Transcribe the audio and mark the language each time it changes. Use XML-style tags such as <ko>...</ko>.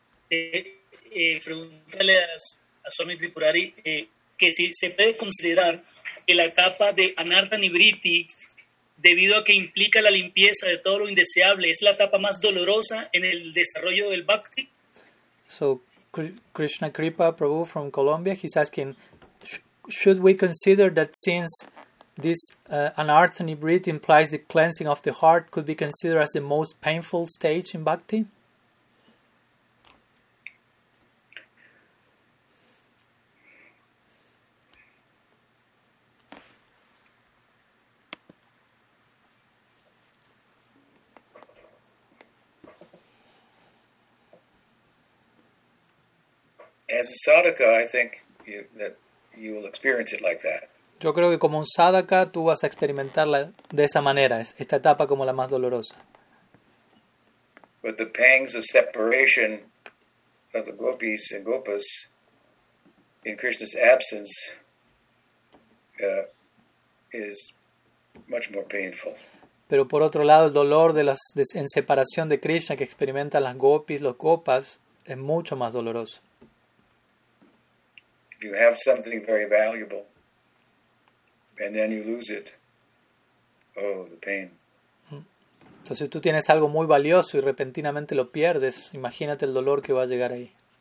<es>Pregúntale a Swami Tripurari que si se puede considerar que la etapa de Anartha Nivritti, debido a que implica la limpieza de todo lo indeseable, es la etapa más dolorosa en el desarrollo del bhakti.</es> <en>So, Krishna Kripa Prabhu from Colombia, he's asking, should we consider that since this Anartha Nivritti implies the cleansing of the heart, could be considered as the most painful stage in bhakti? As a sadhaka, I think that you will experience it like that.</en> <es>Yo creo que como un sadhaka tú vas a experimentarla de esa manera, esta etapa como la más dolorosa.</es> <en>But the pangs of separation of the gopis and gopas in Krishna's absence is much more painful.</en> <es>Pero por otro lado, el dolor de las en separación de Krishna que experimentan las gopis, los gopas, es mucho más doloroso.</es> <en>If you have something very valuable and then you lose it, oh, the pain.</en> <es>Entonces, si tú tienes algo muy valioso y repentinamente lo pierdes, imagínate el dolor que va a llegar ahí.</es>